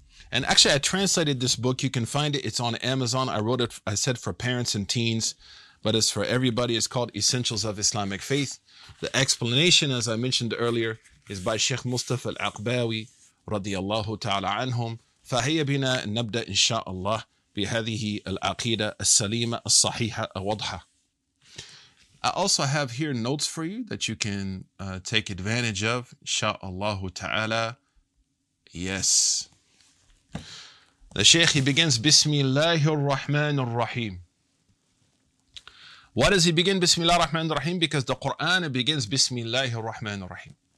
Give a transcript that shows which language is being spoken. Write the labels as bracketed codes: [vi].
[en] And actually, I translated this book. You can find it. It's on Amazon. I wrote it, I said, for parents and teens, but it's for everybody. It's called Essentials of Islamic Faith. The explanation, as I mentioned earlier, is by Sheikh Mustafa Al-Aqbawi, radiallahu ta'ala anhum. [ar] فَهَيَّ بِنَا نَبْدَأْ إِنْ شَاءَ اللَّهِ بهذه العقيدة السليمة الصحيحة الواضحة. [en] I also have here notes for you that you can take advantage of, inshallah ta'ala. Yes. The Shaykh, he begins, Bismillahir Rahmanir Rahim. Why does he begin Bismillahir Rahmanir Rahim? Because the Quran begins Bismillahir Rahmanir Rahim.